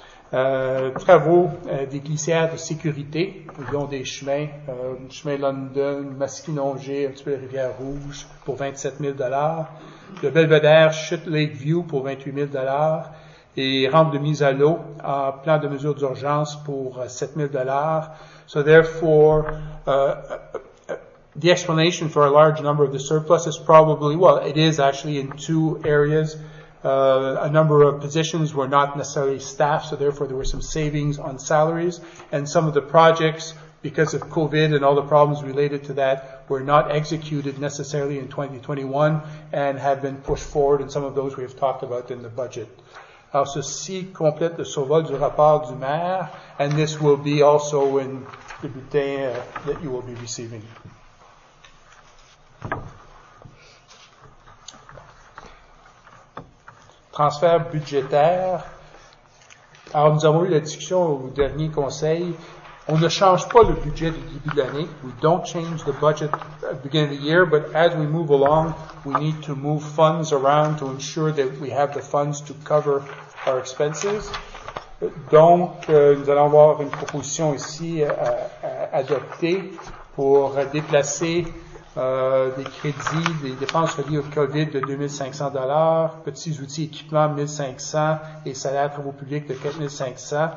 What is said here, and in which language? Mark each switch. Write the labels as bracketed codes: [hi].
[fr] Travaux des glissières de sécurité, le long des chemins, chemin London, Maskinongé, un petit peu la rivière Rouge, pour 27 000 $. Le Belvedere, Chute Lake View, pour 28 000 $. Et rampe de mise à l'eau, en plan de mesure d'urgence, pour 7 000 $. [en] So therefore, the explanation for a large number of the surplus is probably, well, it is actually in two areas. A number of positions were not necessarily staffed, so therefore there were some savings on salaries. And some of the projects, because of COVID and all the problems related to that, were not executed necessarily in 2021 and have been pushed forward. And some of those we have talked about in the budget. [fr] Alors, ceci complète le survol du rapport du maire, [en] and this will be also in the bulletin that you will be receiving. [fr] Transfert budgétaire. Alors, nous avons eu la discussion au dernier conseil. On ne change pas le budget du début de l'année. [en] We don't change the budget at the beginning of the year, but as we move along, we need to move funds around to ensure that we have the funds to cover our expenses. [fr] Donc, nous allons avoir une proposition ici adoptée pour déplacer des crédits, des dépenses reliées au COVID de 2 500 $, petits outils équipements 1 500 et salaire de travaux publics de 4 500,